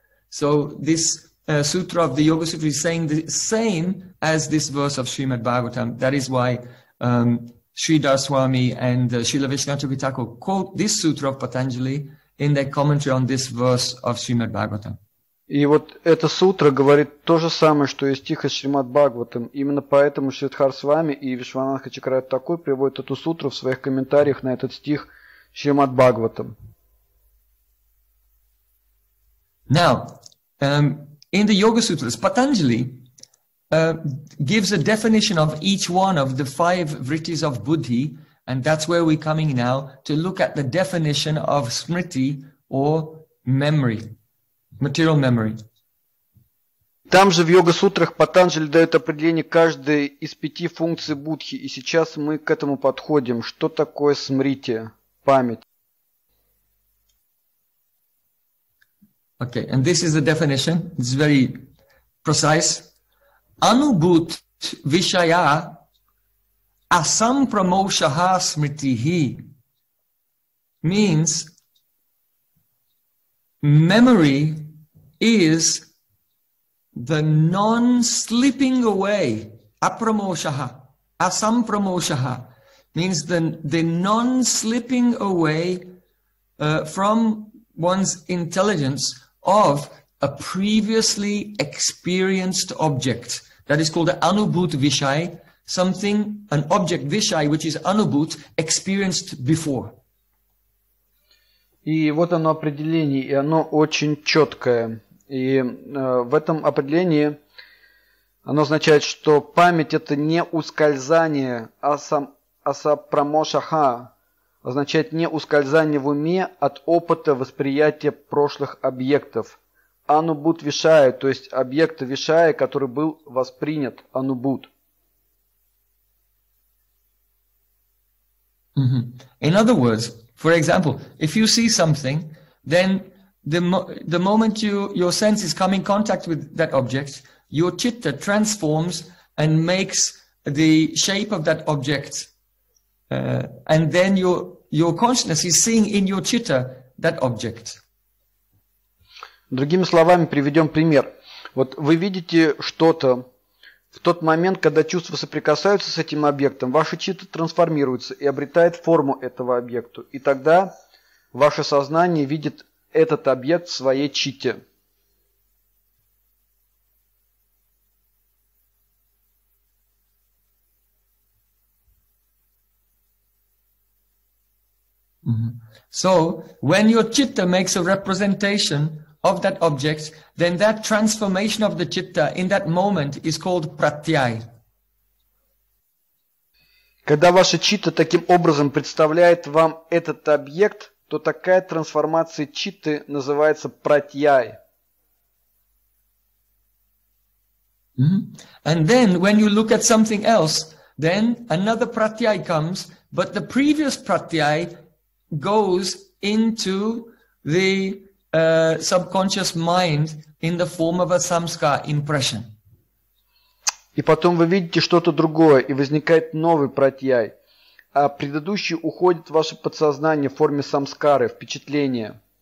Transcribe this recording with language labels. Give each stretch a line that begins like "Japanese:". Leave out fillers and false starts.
English: So this sutra of the Yoga Sutra is saying the same as this verse of Srimad Bhagavatam. That is why Sridhar Swami and Srila Vishnathapati Thakur quote this sutra of Patanjali in their commentary on this verse of Srimad Bhagavatam.
Russian: И вот эта сутра говорит то же самое, что и стих из Шримад Бхагаватам. Именно поэтому Шридхар Свами и Вишванатха Чакрая Такур приводят эту сутру в своих комментариях на этот стих Шримад Бхагаватам.
English: Now, in the Yoga Sutras, Patanjali gives a definition of each one of the five vrittis of buddhi, and that's where we're coming now to look at the definition of smriti or memory. Material memory.
Russian: Там же в йога-сутрах Патанджали дает определение каждой из пяти функций буддхи, и сейчас мы к этому подходим. Что такое смрити, память?
English: Okay, and this is the definition. It's very precise.
Sanskrit: Anubhut vishaya asampramoshaha smritihi
English: means memory is the non-slipping away, apramoshaha, asampramoshaha, means the non-slipping away from one's intelligence of a previously experienced object. That is called anubhut vishay, something, an object, vishai, which is anubhut, experienced before.
Russian: И вот оно определение, и оно очень четкое. И в этом определении оно означает, что память – это не ускользание, асапрамошаха означает не ускользание в уме от опыта восприятия прошлых объектов. Анубут вишая, то есть объект вишая, который был воспринят, анубут.
English: In other words, for example, if you see something, then the moment your senses come in contact with that object, your chitta transforms and makes the shape of that object, and then your consciousness is seeing in your chitta that object.
Russian: Другими словами, приведем пример. Вот вы видите что-то. В тот момент, когда чувства соприкасаются с этим объектом, ваше читта трансформируется и обретает форму этого объекта. И тогда ваше сознание видит этот объект в своей чите.
English: So, when your chitta makes a representation of that object, then that transformation of the chitta in that moment is called pratyay.
Russian: Когда ваша чита таким образом представляет вам этот объект, то такая трансформация читы называется pratyay.
English: And then when you look at something else, then another pratyay comes, but the previous pratyay goes into the subconscious mind in the form of a samskara impression.
Russian: И потом вы видите что-то другое, и возникает новый пратьяй, а предыдущий уходит в ваше подсознание в форме самскары, впечатления.